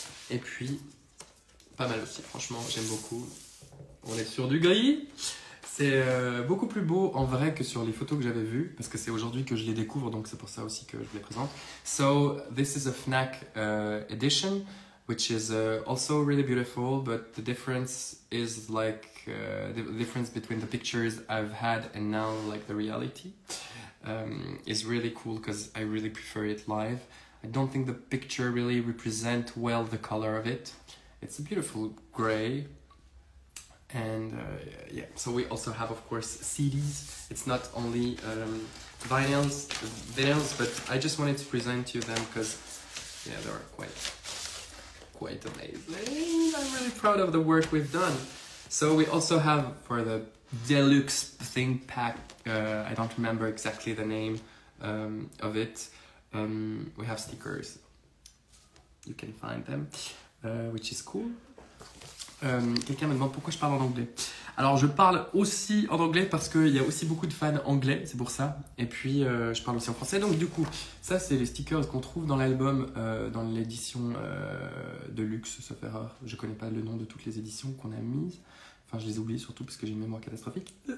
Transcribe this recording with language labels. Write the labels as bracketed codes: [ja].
[fr] Et puis, pas mal aussi, franchement, j'aime beaucoup. On est sur du gris. C'est beaucoup plus beau en vrai que sur les photos que j'avais vues, parce que c'est aujourd'hui que je les découvre, donc c'est pour ça aussi que je les présente. [en] So, this is a FNAC edition, which is also really beautiful, but the difference is like the difference between the pictures I've had and now, like the reality, is really cool because I really prefer it live. I don't think the picture really represent well the color of it. It's a beautiful gray. And yeah, so we also have, of course, CDs. It's not only vinyls, but I just wanted to present to you them because, yeah, they are quite amazing. I'm really proud of the work we've done. So we also have for the deluxe thing pack, I don't remember exactly the name of it. We have stickers, you can find them, which is cool. [fr] Quelqu'un me demande pourquoi je parle en anglais. Alors je parle aussi en anglais parce qu'il y a aussi beaucoup de fans anglais, c'est pour ça. Et puis je parle aussi en français. Donc du coup, ça c'est les stickers qu'on trouve dans l'album, dans l'édition de luxe, sauf erreur. Je connais pas le nom de toutes les éditions qu'on a mises. Enfin, je les oublie surtout parce que j'ai une mémoire catastrophique.